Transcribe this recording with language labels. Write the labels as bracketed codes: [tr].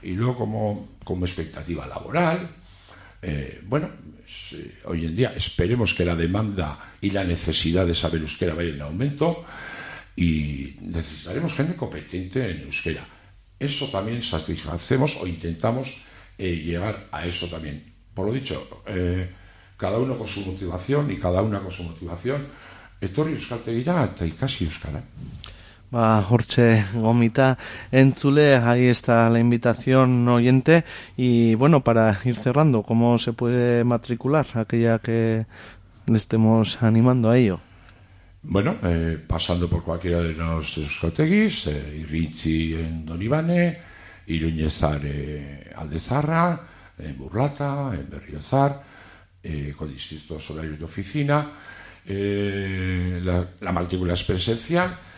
[es] Y luego, como expectativa laboral, bueno, hoy en día esperemos que la demanda y la necesidad de saber euskera vaya en aumento y necesitaremos gente competente en euskera. Eso también satisfacemos o intentamos llegar a eso también. Por lo dicho, cada uno con su motivación y cada una con su motivación. [eu] Etorri euskaltegira eta ikasi euskara. [es] Ah, Jorge Gomita, en Zule, ahí está la invitación oyente. Y bueno, para ir cerrando, ¿cómo se puede matricular aquella que le estemos animando a ello? Bueno, pasando por cualquiera de los euskaltegis, Irritzi en Donibane, Iruñezar Aldezarra, en Burlata, en Berriozar, con distintos horarios de oficina, la matrícula es presencial.